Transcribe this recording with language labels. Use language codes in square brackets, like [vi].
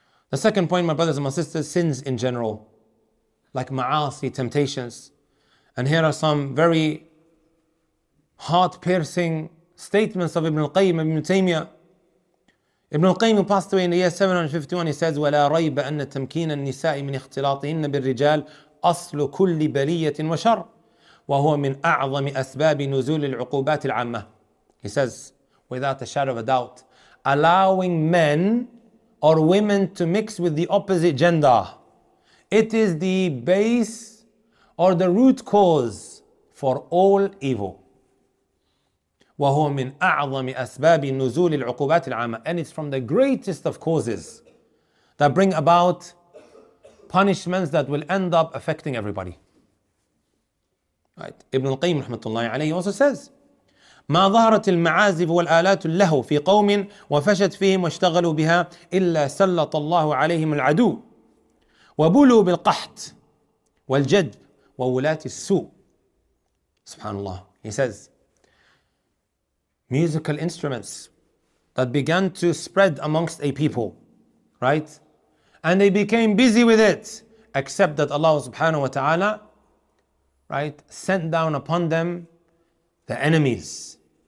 [en] The second point, my brothers and my sisters, sins in general, like ma'asi, temptations. And here are some very heart-piercing statements of Ibn al-Qayyim, Ibn Taymiyyah. Ibn al-Qayyim, who passed away in the year 751, he says, [ar] وَلَا رَيْبَ أَنَّ تَمْكِينَ النِّسَاءِ مِنْ اِخْتِلَاطِهِنَّ بِالرِّجَالِ أَصْلُ كُلِّ بَلِيَّةٍ وَشَرٍ وَهُوَ مِنْ أَعْظَمِ أَسْبَابِ نُزُولِ الْعُقُوبَاتِ الْعَامَّةِ. [en] He says, without a shadow of a doubt, allowing men or women to mix with the opposite gender, it is the base or the root cause for all evil. [ar] وَهُوَ مِنْ أَعْظَمِ أَسْبَابِ نُزُولِ الْعُقُوبَاتِ الْعَامَةِ. [en] And it's from the greatest of causes that bring about punishments that will end up affecting everybody. Right. Ibn al-Qayyim rahmatullahi alayhi also says, [ar] مَا ظَهَرَتِ الْمَعَازِفُ وَالْآلَاتُ اللَّهُ فِي قَوْمٍ وَفَشَتْ فِيهِمْ وَاشْتَغَلُوا بِهَا إِلَّا سَلَّطَ اللَّهُ عَلَيْهِمُ الْعَدُوُ وَبُلُوا بِالْقَحْتِ وَالْجَدِّ وَوُلَاتِ السُّوءِ. Subhanallah. [en] He says, musical instruments that began to spread amongst a people, right? And they became busy with it, except that Allah subhanahu wa ta'ala, right, sent down upon them the enemies.